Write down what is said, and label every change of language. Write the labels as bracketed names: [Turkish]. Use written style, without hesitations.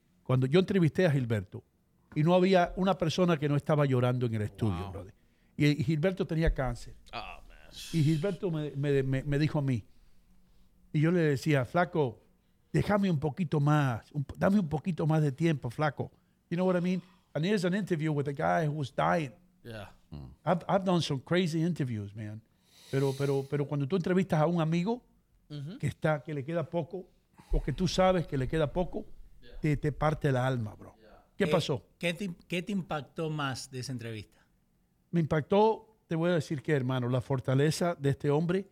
[Spanish] Cuando yo entrevisté a Gilberto, y no había una persona que no estaba llorando en el estudio, wow, brother. Y Gilberto tenía cáncer. [English] Oh, man. [Spanish] Y Gilberto me dijo a mí. Y yo le decía, flaco, déjame un poquito más. Dame un poquito más de tiempo, flaco. [English] You know what I mean? And here's an interview with a guy who was dying. Yeah. I've done some crazy interviews, man. [Spanish] Pero cuando tú entrevistas a un amigo, mm-hmm, que le queda poco, o que tú sabes que le queda poco, yeah, te parte la alma, bro. Yeah. ¿Qué pasó? ¿Qué te impactó más de esa entrevista? Me impactó, te voy a decir qué, hermano, la fortaleza de este hombre,